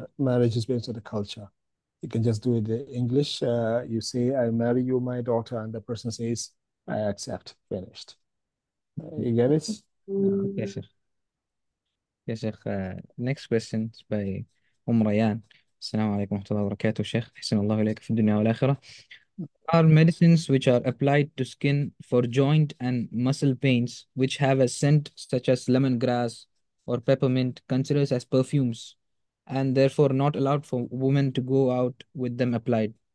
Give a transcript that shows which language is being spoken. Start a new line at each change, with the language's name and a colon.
English: But marriage is based on the culture. You can just do it in English. You say, I marry you, my daughter, and the person says, I accept. Finished. You get it? Okay, sir.
Arabic: يا شيخ.
English: Next question by أم ريان.
Arabic: السلام عليكم ورحمة الله وبركاته شيخ. أحسن الله إليك في الدنيا والآخرة.
English: Are medicines which are applied to skin for joint and muscle pains which have a scent such as lemongrass or peppermint considered as perfumes and therefore not allowed for women to go out with them applied?